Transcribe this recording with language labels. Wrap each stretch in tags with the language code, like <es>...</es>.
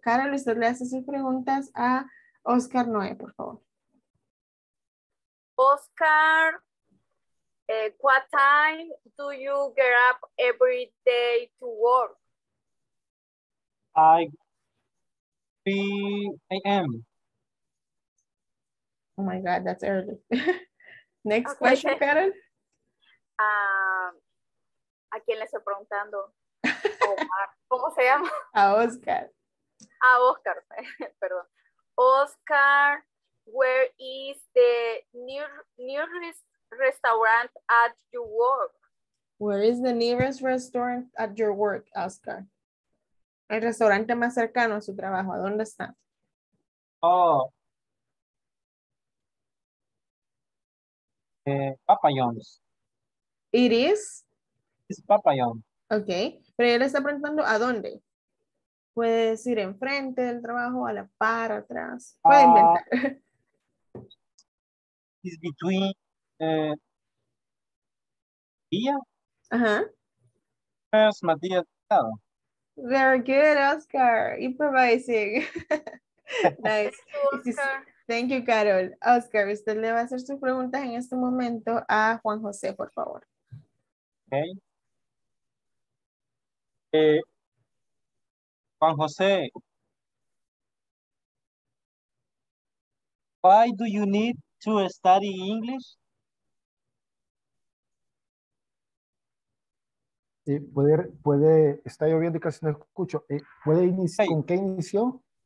<es>Carol, usted le hace sus preguntas a Oscar Noé, por favor.</es> <en>Oscar, what time do you get up every day to work? I 3 a.m. Oh my God, that's early. Next okay. question, Carol.</en> <es>¿A quién le estoy preguntando? ¿Cómo se llama? A Oscar. A Oscar, perdón.</es> <en>Oscar, where is the nearest restaurant at your work? Where is the nearest restaurant at your work, Oscar?</en> <es>El restaurante más cercano a su trabajo, ¿a dónde está? Oh.</es> <en>Papa John's. It is? It's Papa John's.</en> <es>Okay. Pero él está preguntando, ¿a dónde? Puede decir enfrente del trabajo, a la par, atrás. Puede inventar.</es> <en>It's between Villa. Ajá.</en> <es>Es Matías Delgado.</es> <en>Very good, Oscar. Improvising. Nice. Thank you, Carol.</en> <es>Oscar, usted le va a hacer sus preguntas en este momento a Juan José, por favor.</es> <en>Okay. Juan José, why do you need to study English?</en> <es>Puede está lloviendo y casi no escucho. ¿Puede iniciar? Hey. ¿Con qué inició?</es>